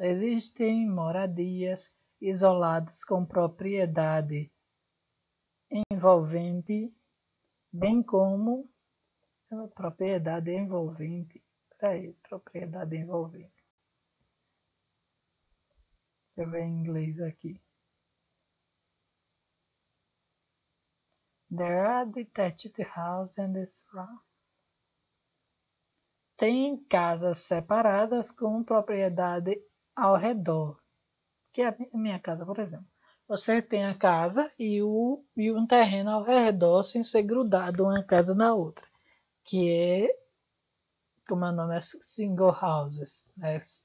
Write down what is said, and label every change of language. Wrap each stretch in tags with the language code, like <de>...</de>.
<pt>Existem moradias isoladas com propriedade envolvente, bem como propriedade envolvente. Peraí, propriedade envolvente. Deixa eu ver em inglês aqui.</pt> <en>There are detached houses in this round.</en> <pt>Tem casas separadas com propriedade ao redor, que é a minha casa, por exemplo. Você tem a casa e um terreno ao redor sem ser grudado uma casa na outra, que é, como o nome é, single houses, né?</pt>